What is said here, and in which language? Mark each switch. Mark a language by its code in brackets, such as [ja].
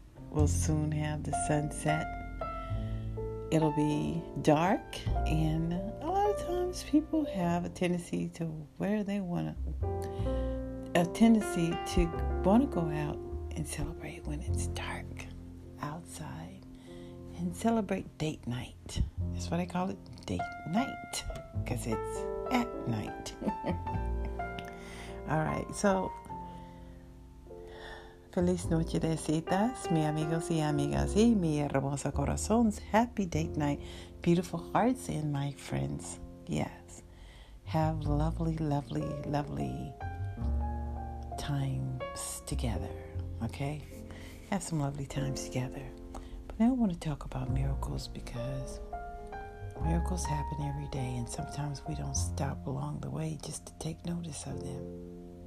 [en] We'll soon have the sunset. It'll be dark, and a lot of times people have a tendency to where they want to, go out and celebrate when it's dark outside and celebrate date night. That's what I call it, date night, because it's at night. All right, so [es] Feliz noche de citas, mi amigos y amigas, y mi hermoso corazones. [en] Happy date night, beautiful hearts, and my friends. Yes, have lovely, lovely, lovely times together, okay? Have some lovely times together. But now I want to talk about miracles, because miracles happen every day, and sometimes we don't stop along the way just to take notice of them.